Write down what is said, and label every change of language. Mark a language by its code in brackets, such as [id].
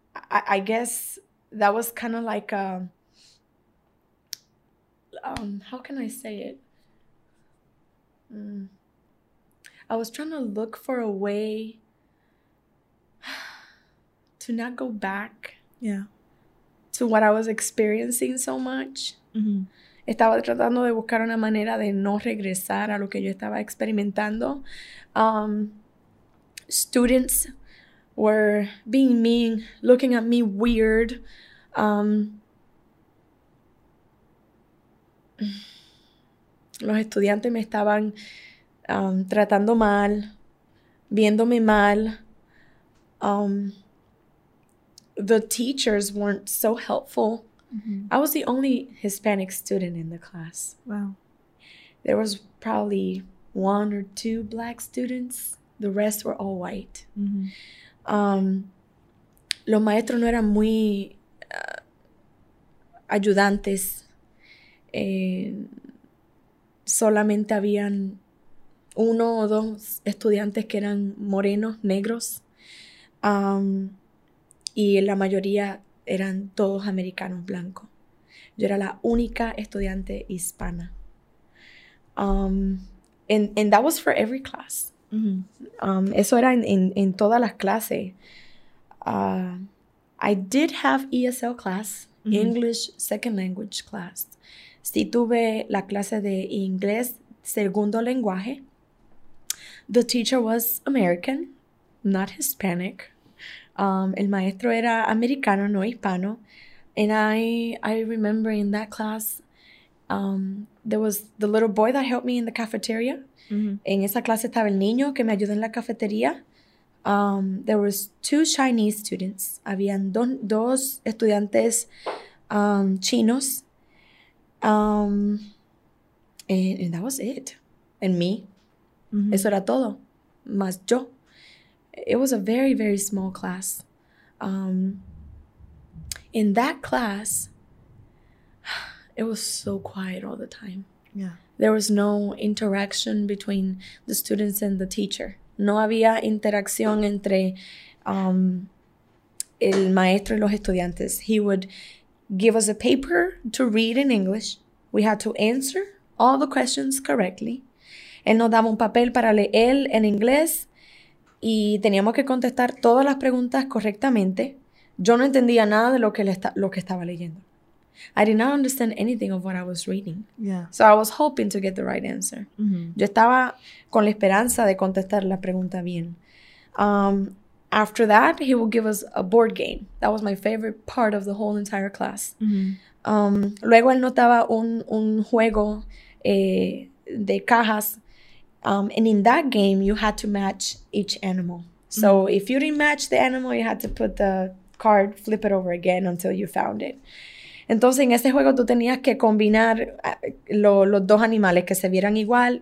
[en] I guess that was kind of like a, how can I say it? I was trying to look for a way to not go back to what I was experiencing so much. Mm-hmm. [es] Estaba tratando de buscar una manera de no regresar a lo que yo estaba experimentando. [en] Students were being mean, looking at me weird. [es] Los estudiantes me estaban tratando mal, viéndome mal. [en] The teachers weren't so helpful. Mm-hmm. I was the only Hispanic student in the class. Wow. There was probably one or two Black students. The rest were all white. Mm-hmm. [es] Los maestros no eran muy ayudantes. Solamente habían uno o dos estudiantes que eran morenos, negros. Y la mayoría eran todos americanos blancos. Yo era la única estudiante hispana. [en] And that was for every class. Mm-hmm. [es] Eso era en todas las clases. [en] I did have ESL class, mm-hmm. English second language class. [es] Sí tuve la clase de inglés segundo lenguaje. [en] The teacher was American, not Hispanic. [es] El maestro era americano, no hispano. [en] And I remember in that class, there was the little boy that helped me in the cafeteria. Mm-hmm. [es] En esa clase estaba el niño que me ayudó en la cafetería. [en] There was two Chinese students. [es] Habían dos estudiantes Chinos. [en] And that was it. And me. Mm-hmm. [es] Eso era todo. Más yo. [en] It was a very, very small class. In that class, it was so quiet all the time. Yeah. There was no interaction between the students and the teacher. [es] No había interacción entre el maestro y los estudiantes. [en] He would give us a paper to read in English. We had to answer all the questions correctly. [es] Él nos daba un papel para leer en inglés y teníamos que contestar todas las preguntas correctamente. Yo no entendía nada de lo que estaba leyendo. [en] I did not understand anything of what I was reading. Yeah. So I was hoping to get the right answer. Mm-hmm. [es] Yo estaba con la esperanza de contestar la pregunta bien. [en] After that, he would give us a board game. That was my favorite part of the whole entire class. Mm-hmm. [es] Luego él notaba un juego de cajas. [en] And in that game, you had to match each animal. So mm-hmm. if you didn't match the animal, you had to put the card, flip it over again until you found it. [es] Entonces, en ese juego, tú tenías que combinar los dos animales que se vieran igual.